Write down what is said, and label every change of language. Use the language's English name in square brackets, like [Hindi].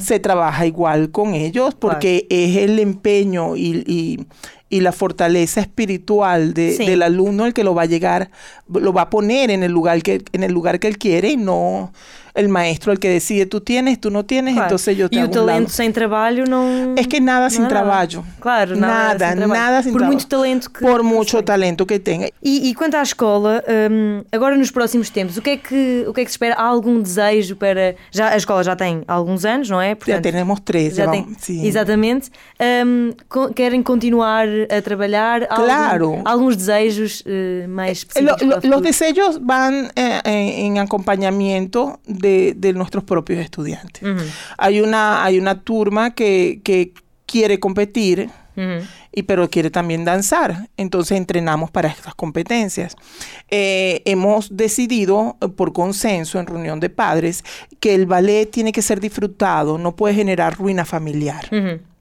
[Spanish] Se trabaja igual con ellos porque es el empeño y la fortaleza espiritual del alumno el que lo va a poner en el lugar que él quiere, y no el maestro el que decide tú tienes, tú no tienes, entonces yo te hago un lado. Y talento sin trabajo no... Es que nada sin trabajo. Claro, nada sin trabajo. Nada sin trabajo. [Portuguese] Por muito talento que... [Spanish] Por mucho talento que tenga. [Portuguese] E quanto à escola, agora nos próximos tempos, o que é que se espera? Há algum desejo para... Já, a escola já tem alguns anos, não é? Portanto, já temos 13. Já tem, sim. Exatamente. Querem continuar a trabalhar? Claro. Alguns desejos mais específicos? Os desejos vão em acompanhamento de [Spanish] nuestros propios estudiantes. Uh-huh. Hay una turma que quiere competir, uh-huh, pero quiere también danzar. Entonces entrenamos para estas competencias. Hemos decidido, por consenso en reunión de padres, que el ballet tiene que ser disfrutado, no puede generar ruina familiar. Uh-huh.